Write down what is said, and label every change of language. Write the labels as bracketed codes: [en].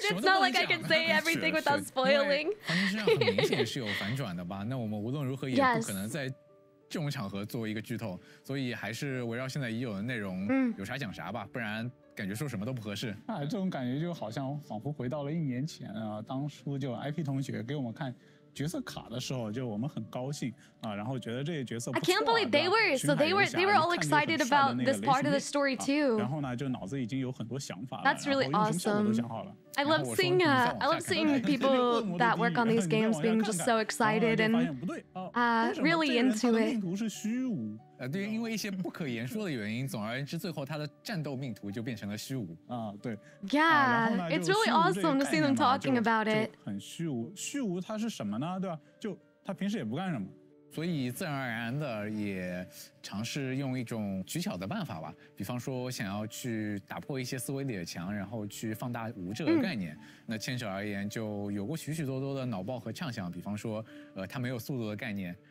[en] It's not like I can say everything without spoiling. [zh] 黄金身上很明显是有反转的吧？那我们无论如何也不可能在这种场合做一个剧透，所以还是围绕现在已有的内容，有啥讲啥吧，不然感觉说什么都不合适。啊，这种感觉就好像仿佛回到了一年前啊，当初就 IP 同学给我们看。角色卡的时候，就我们很高兴啊，然后觉得这些角色不错、啊。 [en] I can't believe they were so they were all excited about this part of the story too.、 [zh] 啊、然后呢，就脑子已经有很多想法了。 [en] That's really awesome. I love seeing people that work on these games being just so excited and really into it. [zh] 命途是虚无。对，因为一些不可言说的原因，总而言之，最后他的战斗命途就变成了虚无啊。对 [en] ，Yeah, it's really awesome to see them talking about it. [zh] 很虚无，虚无他是什么呢？对吧？就他平时也不干什么，所以自然而然的也尝试用一种取巧的办法吧，比方说想要去打破一些思维里的墙，然后去放大无这个概念。那牵扯而言，就有过许许多多的脑爆和畅想，比方说，他没有速度的概念。